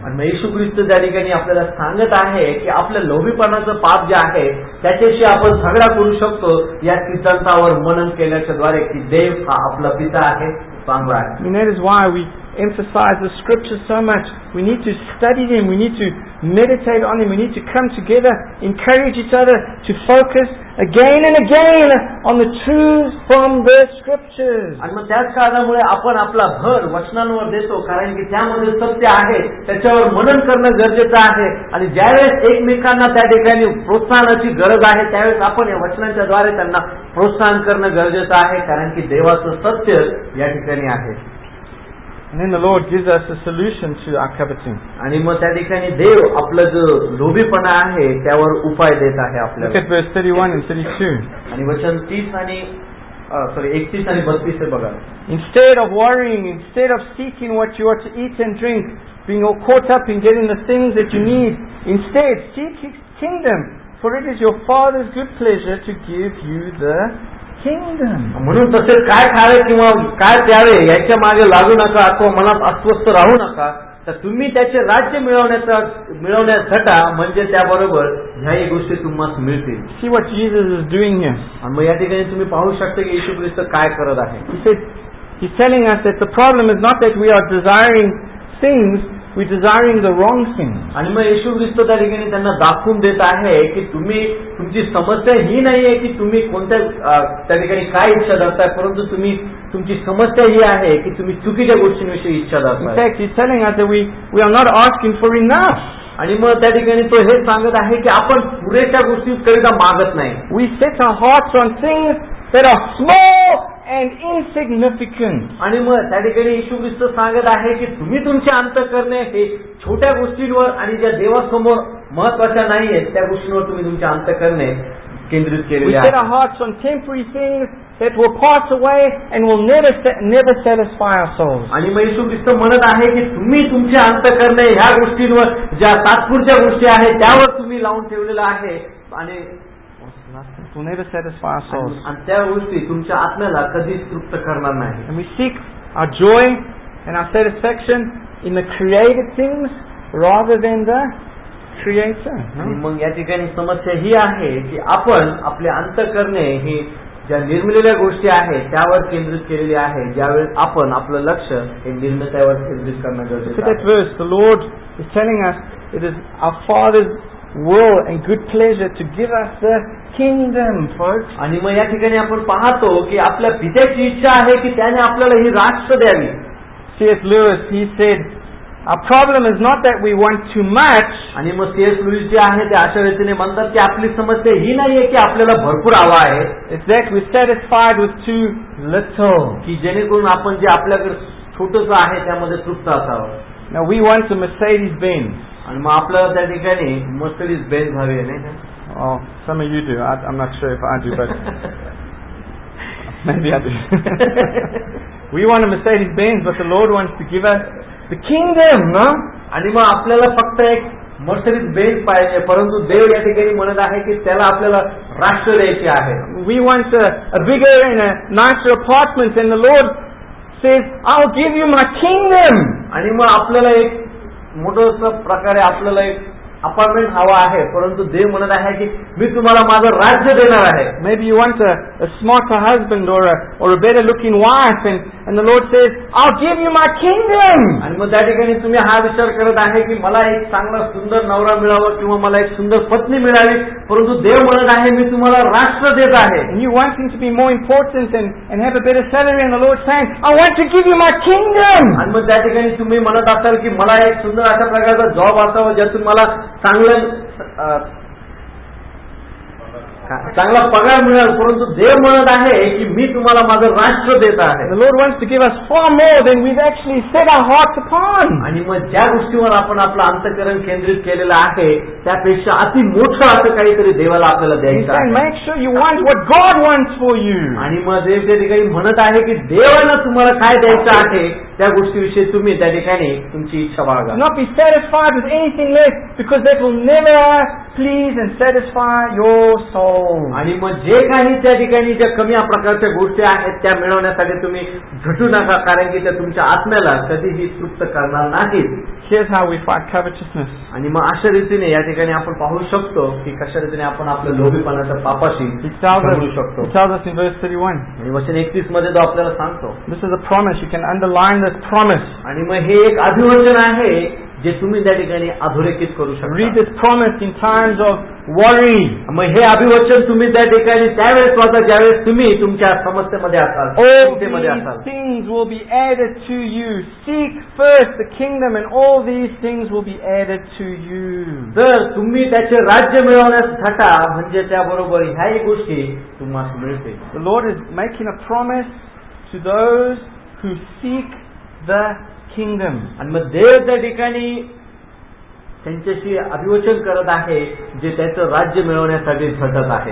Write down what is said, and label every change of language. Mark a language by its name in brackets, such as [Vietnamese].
[Marathi] आणि येशू ख्रिस्त त्या ठिकाणी आपल्याला सांगत आहे की आपल्या लोभीपणाचं पाप जे आहे त्याच्याशी आपण झगडा करू शकतो या सिद्धांतावर मनन केल्याच्या द्वारे की देव हा आपला पिता आहे, चांगला आहे. [English] That is why we emphasize the scripture so much. We need to study them. We need to meditate on them. We need to come together, encourage each other to focus again and again on the truths from the scriptures. [Marathi] आणि मग त्याच कारणामुळे आपण आपला भर वचनांवर देतो, कारण की त्यामध्ये सत्य आहे, त्याच्यावर मनन करणं गरजेचं आहे. आणि ज्यावेळेस एकमेकांना त्या ठिकाणी प्रोत्साहनाची गरज आहे, त्यावेळेस आपण या वचनांच्या द्वारे त्यांना प्रोत्साहन करणं गरजेचं आहे, कारण की देवाचं सत्य या ठिकाणी आहे. [English] And then the Lord gives us a solution to our coveting. [Marathi] आणि मग त्या ठिकाणी देव आपलं जो लोभीपणा आहे त्यावर उपाय देत आहे आपल्याला. [English] Look at verse 31 and 32. [Marathi] आणि वचन 31 आणि 32 बघा. [English] Instead of worrying, instead of seeking what you ought to eat and drink, being all caught up in getting the things that you need, instead seek his kingdom, for it is your father's good pleasure to give you the kingdom. [Marathi] म्हणून तसे काय खावे किंवा काय प्यावे याच्या मागे लागू नका अथवा मनात अस्वस्थ राहू नका. तर तुम्ही त्याचे राज्य मिळवण्यासाठी म्हणजे त्याबरोबर ह्याही गोष्टी तुम्हाला मिळतील. [English] See what Jesus is doing here. [Marathi] आणि मग या ठिकाणी तुम्ही पाहू शकता की येशू ख्रिस्त काय करत आहे. [English] He's telling us that the problem is not that we are desiring things, we're desiring the wrong thing. [Marathi] आणि मग येशू ख्रिस्त त्या ठिकाणी त्यांना दाखवून देत आहे की तुम्ही तुमची समस्या ही नाहीये की तुम्ही कोणत्या त्या ठिकाणी काय इच्छा धरताय, परंतु तुम्ही तुमची समस्या ही आहे की तुम्ही चुकीच्या गोष्टींविषयी इच्छा धरताय. [English] We are not asking for enough. [Marathi] आणि मग त्या ठिकाणी तो हे सांगत आहे की आपण पुरेशा गोष्टींकरिता मागत नाही. [English] We set our hearts on things that are small and insignificant. [Marathi] आणि मग त्या ठिकाणी येशू ख्रिस्त सांगत आहे की तुम्ही तुमचे अंतःकरणे हे छोट्या गोष्टींवर आणि ज्या देवासमोर महत्वाच्या नाही आहेत त्या गोष्टींवर तुम्ही तुमचे अंतःकरणे केंद्रित केलेले आहे. [English] hearts on temporary things that will pass away and will never satisfy our souls. [Marathi] आणि मग येशू ख्रिस्त म्हणत आहे की तुम्ही तुमचे अंतःकरणे ह्या गोष्टींवर ज्या तात्पुरत्या गोष्टी आहेत त्यावर तुम्ही लावून ठेवलेलं आहे आणि त्या गोष्टी तुमच्या आत्म्याला कधीच तृप्त करणार नाही. [English] We seek our joy and our satisfaction in the created things rather than the creator. [Marathi] मग या ठिकाणी समस्या ही आहे की आपण आपले अंतःकरणे ही ज्या निर्मिलेल्या गोष्टी आहेत त्यावर केंद्रित केलेली आहे. ज्यावेळेस आपण आपलं लक्ष हे निर्मितीवर केंद्रित करणं गरजेचं. [English] Lord is telling us it is our Father's will and good pleasure to give us the kingdom first. [Marathi] आणि मग या ठिकाणी आपण पाहतो की आपल्या पित्याची इच्छा आहे की त्याने आपल्याला ही राष्ट्र द्यावी. [English] C.S. Lewis, he said, our problem is not that we want too much. [Marathi] आणि मग C.S. Lewis जे आहे ते अशा रीतीने म्हणतात की आपली समस्या ही नाहीये की आपल्याला भरपूर हवा आहे. [English] It's that we're satisfied with too little. [Marathi] की जेणेकरून आपण जे आपल्याकडे छोटस आहे त्यामध्ये तृप्त असावं. [English] Now we want to Mercedes Benz. [Marathi] आणि मग आपल्याला त्या ठिकाणी मर्सिडीज बेंझ हवी आहे. [English] नाही some you do I am not sure if I do but maybe I do. We want a Mercedes Benz but the Lord wants to give us the kingdom. [Marathi] आणि मग आपल्याला फक्त एक मर्सिडीज बेंझ पाहिजे, परंतु देव या ठिकाणी म्हणत आहे की त्याला आपल्याला राष्ट्र द्यायचे आहे. [English] We want a bigger and nicer apartment and the Lord says I will give you my kingdom. [Marathi] आणि मग आपल्याला एक मोठं प्रकारे आपल्याला एक अपार्टमेंट हवा आहे, परंतु देव म्हणत आहे की मी तुम्हाला माझं राज्य देणार आहे. [English] Maybe you want a smart husband or a better looking wife and the Lord says I will give you my kingdom. [Marathi] आणि मग त्या ठिकाणी तुम्ही हा विचार करत आहे की मला एक चांगला सुंदर नवरा मिळावा किंवा मला एक सुंदर पत्नी मिळावी, परंतु देव म्हणत आहे मी तुम्हाला राष्ट्र देत आहे. [English] You want thing to be more importance and have a better salary and the lord says I want to give you my kingdom. [Marathi] आणि मग त्या ठिकाणी तुम्ही म्हणत असाल की मला एक सुंदर अशा प्रकारचा जॉब असावा ज्यातून मला चांगला पगार मिळेल, परंतु देव म्हणत आहे की मी तुम्हाला माझं राष्ट्र देत आहे. [English] The Lord wants to give us far more than we've actually set our hearts upon. [Marathi] आणि मग ज्या गोष्टीवर आपण आपलं अंतकरण केंद्रित केलेलं आहे त्यापेक्षा अति मोठं असं काहीतरी देवाला आपल्याला द्यायचं. [English] Make sure you want what God wants for you. [Marathi] आणि मग देव त्या ठिकाणी म्हणत आहे की देवानं तुम्हाला काय द्यायचं आहे त्या गोष्टीविषयी तुम्ही त्या ठिकाणी तुमची इच्छा बाळगा. [English] Not be satisfied with anything less because that will never please and satisfy your soul. [Marathi] आणि मग जे काही त्या ठिकाणी ज्या कमी प्रकारच्या गोष्टी आहेत त्या मिळवण्यासाठी तुम्ही झटू नका, कारण की त्या तुमच्या आत्म्याला कधीही तृप्त करणार नाहीत. [English] Here's how we fight covetousness. [Marathi] आणि मग अशा रीतीने या ठिकाणी आपण पाहू शकतो की कशा रीतीने आपण आपल्या लोभीपणाच्या पापाशी लढू शकतो. आणि वचन 31 मध्ये तो आपल्याला सांगतो. [English] This is a promise. You can underline this promise. [Marathi] आणि मग हे एक अभिवचन आहे जे तुम्ही त्या ठिकाणी अधोरेखित करू शकता. [English] Read this promise in times of worry. [Marathi] मग हे अभिवचन तुम्ही त्या ठिकाणी त्यावेळेस वाचा ज्यावेळेस तुम्ही तुमच्या समस्येमध्ये असाल. [English] Things will be added to you. Seek first the kingdom and all these things will be added to you. [Marathi] तर तुम्ही त्याचे राज्य मिळवण्यास थाटा म्हणजे त्याबरोबर ह्याही गोष्टी तुम्हाला मिळते. [English] The Lord is making a promise to those who seek the kingdom. [Marathi] आणि मग देव त्या ठिकाणी त्यांच्याशी अभिवचन करत आहे जे त्याचं राज्य मिळवण्यासाठी झटत आहे.